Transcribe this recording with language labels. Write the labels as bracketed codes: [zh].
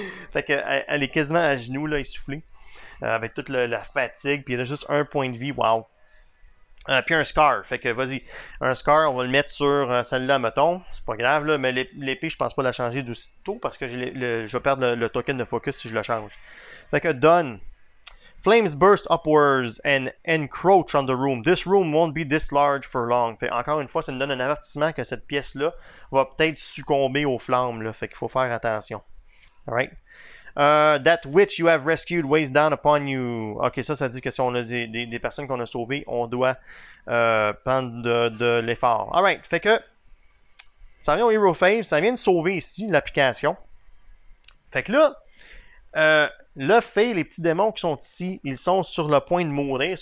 [fr] Fait qu'elle est quasiment à genoux, là, essoufflée. Avec toute la fatigue, puis elle a juste 1 point de vie, wow. Puis un scar, fait que vas-y. Un scar, on va le mettre sur celle-là, mettons. C'est pas grave, là, mais l'épée, je pense pas la changer d'aussitôt parce que je vais perdre le token de focus si je le change. Fait que done. [en] Flames burst upwards and encroach on the room. This room won't be this large for long. [fr] Fait encore une fois, ça nous donne un avertissement que cette pièce-là va peut-être succomber aux flammes. Là. Fait qu'il faut faire attention. Alright. [en] That witch you have rescued weighs down upon you. [fr] Ok, ça dit que si on a des personnes qu'on a sauvées, on doit prendre de l'effort. Alright. Fait que ça vient au Hero Fave. Ça vient de sauver ici l'application. Fait que là. Le fait, les petits démons qui sont ici, ils sont sur le point de mourir.